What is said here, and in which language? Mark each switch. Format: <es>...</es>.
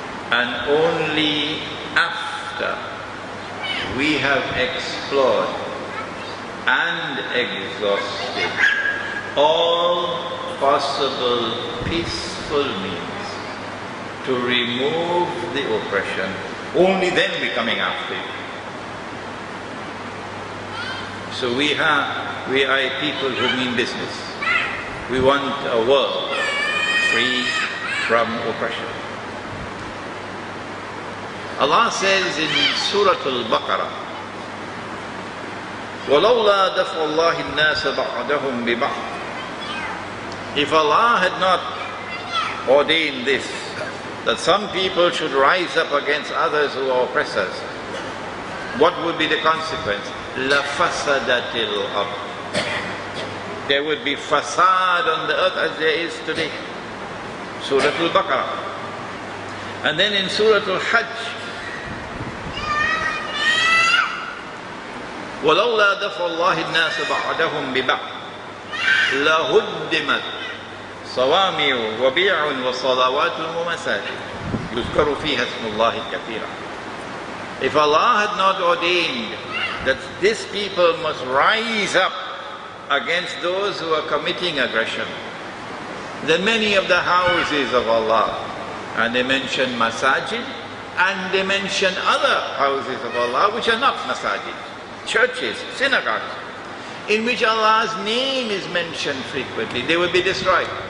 <en>And only after we have explored and exhausted all possible peaceful means to remove the oppression, only then we're coming after it. So we are a people who mean business. We want a world free from oppression. Allah says in Surah Al-Baqarah,</en> <ar>وَلَوْلَا دَفْعُ اللَّهِ النَّاسَ بَعْدَهُمْ بِبَعْضٍ.</ar> <en>If Allah had not ordained this, that some people should rise up against others who are oppressors, what would be the consequence?</en> <ar>لَفَسَدَتِ الْأَرْضِ.</ar> <en>There would be facade on the earth as there is today. Surah Al-Baqarah. And then in Surah Al-Hajj,</en> <ar>وَلَوْلَا دَفْعُ اللَّهِ النَّاسَ بَعْدَهُمْ بِبَعْضٍ لَهُدِّمَتْ صَوَامِعُ وَبِيَعٌ وَصَلَوَاتٌ وَمَسَاجِدٌ يُذْكَرُ فِيهَا اسْمُ اللَّهِ كَثِيرًا.</ar> <en>If Allah had not ordained that this people must rise up against those who are committing aggression, then many of the houses of Allah, and they mention masajid, and they mention other houses of Allah which are not masajid, churches, synagogues, in which Allah's name is mentioned frequently, they will be destroyed.</en>